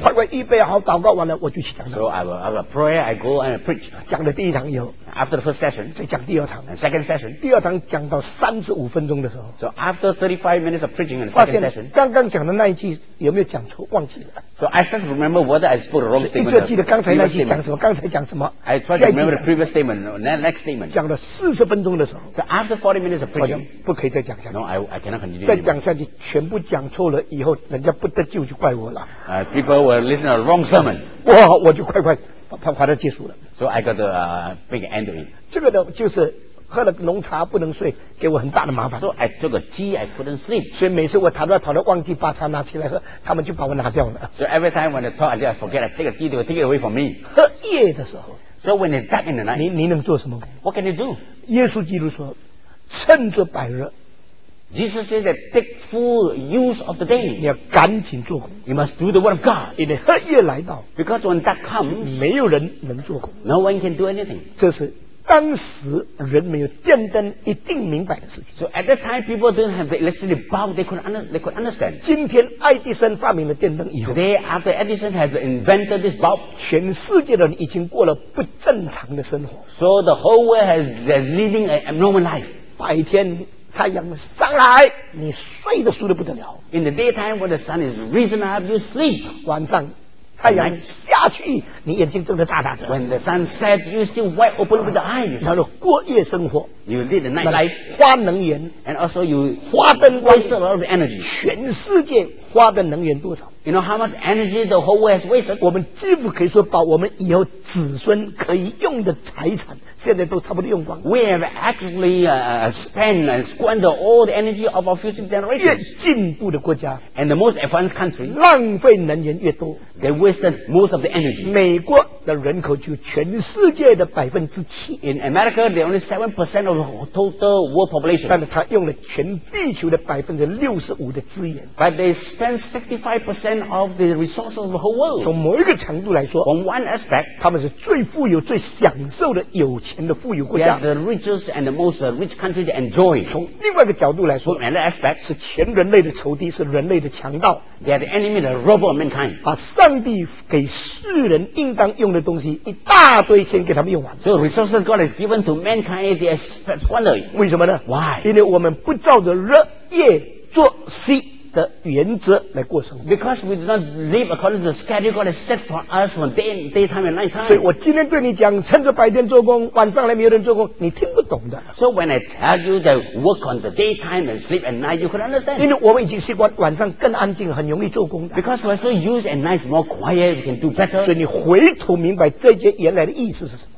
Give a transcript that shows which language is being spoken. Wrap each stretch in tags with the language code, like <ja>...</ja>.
<zh>那我快快预备好祷告完了，我就去讲。</zh> <en>So I will pray. I go and preach.</en> <zh>讲了第一堂以后。</zh> <en>After the first session,</en> <zh>再讲第二堂。</zh> <en>And second session,</en> <zh>第二堂讲到35分钟的时候。</zh> <en>So after 35 minutes of preaching in the second session,</en> <zh>刚刚讲的那一句有没有讲错？忘记了。</zh> <en>So I start to remember whether I spoke the wrong statement.</en> <zh>一直记得刚才那句讲什么，刚才讲什么。</zh> <en>I try to remember the previous statement, next statement.</en> <zh>讲了40分钟的时候。</zh> <en>So after 40 minutes of preaching,</en> <zh>不可以再讲下去。</zh> <en>No, I cannot continue.</en> <zh>再讲下去全部讲错了，以后人家不得救就怪我了。</zh> <en>People will listen to the wrong sermon.</en> <zh>我就快快。快到结束了。</zh> <en>So I got a big end of it.</en> <zh>这个呢就是喝了浓茶不能睡，给我很大的麻烦。</zh> <en>So I took a tea, I couldn't sleep.</en> <zh>所以每次我躺在床上忘记把茶拿起来喝，他们就把我拿掉了。</zh> <en>So every time when I talk, I forget, I take a tea, they will take it away from me.</en> <zh>喝夜的时候。</zh> <en>So when it's dark in the night.</en> <zh>你能做什么？</zh> <en>What can you do?</en> <zh>耶稣基督说，趁着白日。</zh> <en>Jesus said that take full use of the day.</en> <zh>你要赶紧做工。</zh> <en>You must do the word of God.</en> <zh>因为黑夜来到。</zh> <en>Because when that comes,</en> <zh>没有人能做工。</zh> <en>No one can do anything.</en> <zh>这是当时人没有电灯一定明白的事情。</zh> <en>So at that time, people didn't have the electricity bulb. They could understand.</en> <zh>今天爱迪生发明了电灯以后。</zh> <en>Today, after Edison has invented this bulb,</en> <zh>全世界的人已经过了不正常的生活。</zh> <en>So the whole world has been living an abnormal life.</en> <zh>白天。太阳上来，你睡得舒得不得了。</zh> <en>In the daytime when the sun is risen up, you sleep.</en> <zh>晚上太阳下去，你眼睛睁得大大的。</zh> <en>When the sun set, you still wide open with the eyes.</en> <zh>然后过夜生活。</zh> <en>You lead the night life.</en> <zh>花能源。</zh> <en>And also you</en> <zh>花灯光。</zh> <en>Waste a lot of energy.</en> <zh>全世界花的能源多少？</zh> <en>You know how much energy the whole world has wasted?</en> <zh>我们几乎可以说把我们以后子孙可以用的财产现在都差不多用光。</zh> <en>We have actually spent and squandered all the energy of our future generations.</en> <zh>越进步的国家</zh> <en>and the most advanced country</en> <zh>浪费能源越多</zh> <en>they wasted most of the energy.</en> <zh>美国的人口就全世界的7%。</zh> <en>In America, the only 7% of total world population.</en> <zh>但是他用了全地球的65%的资源。</zh> <en>But they spend 65% of the resources of the whole world.</en> <zh>从某一个程度来说</zh> <en>，From one aspect,</en> <zh>他们是最富有、最享受的有钱的富有国家。</zh> <en>They are the richest and the most rich country to enjoy.</en> <zh>从另外一个角度来说</zh> <en>，From another aspect,</en> <zh>是全人类的仇敌，是人类的强盗。</zh> <en>They are the enemy, the robber of mankind.</en> <zh>把上帝给世人应当用的东西一大堆先给他们用完。</zh> <en>So resources God has given to mankind, they are squandered.</en> <zh>为什么呢</zh> <en>？Why？</en> <zh>因为我们不照着日夜作息的原则来过生活。</zh> <en>Because we do not live according to the schedule God has set for us from daytime and nighttime.</en> <zh>所以我今天对你讲，趁着白天做工，晚上来没有人做工，你听不懂的。</zh> <en>So when I tell you that work on the daytime and sleep at night, you could understand.</en> <zh>因为我们已经习惯晚上更安静，很容易做工的。</zh> <en>Because we're so used at night, more quiet, we can do better.</en> <zh>所以你回头明白这些原来的意思是什么</zh>